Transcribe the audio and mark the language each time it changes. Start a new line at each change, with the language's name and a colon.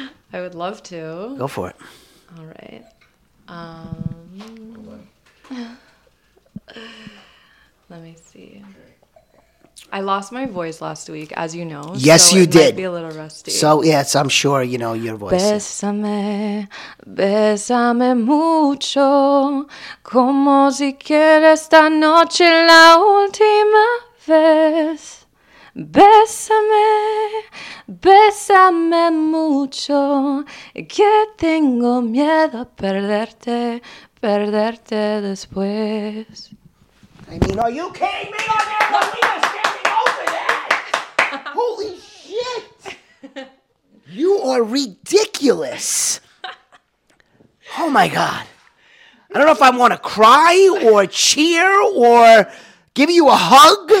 English: I would love to. Go for it. All right. Let me see. I lost my voice last week, as you know. Yes, so you it did. Might be a little rusty. So yes, I'm sure you know your voice.
Spanish: Bésame, bésame mucho, como si quiera esta noche la última vez. Bésame, bésame mucho, que tengo miedo perderte, perderte después.
English: I mean, are you kidding me? Oh, man, let me just get me over that! Holy shit! You are ridiculous! Oh, my God. I don't know if I want to cry or cheer or give you a hug.